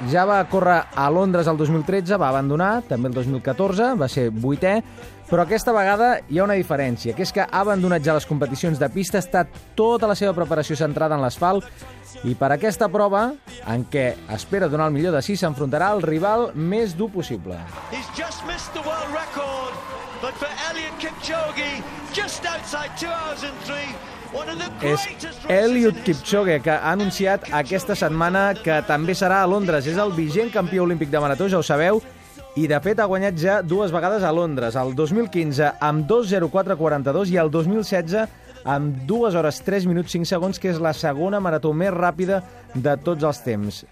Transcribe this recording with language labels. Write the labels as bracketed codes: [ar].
[ca] Ja va córrer a Londres el 2013, va abandonar, també el 2014, va ser vuitè. Però aquesta vegada hi ha una diferència, que és que ha abandonat ja les competicions de pista, està tota la seva preparació centrada en l'asfalt, i per aquesta prova, en què espera donar el millor de si, s'enfrontarà al rival més dur possible. [en] He's just missed the world record, but for Eliud Kipchoge, just outside 2003... [ca] És Eliud Kipchoge, que ha anunciat aquesta setmana que també serà a Londres. És el vigent campió olímpic de marató, ja ho sabeu, i de fet ha guanyat ja dues vegades a Londres, el 2015 amb 2:04:42 i el 2016 amb 2:03:05, que és la segona marató més ràpida de tots els temps.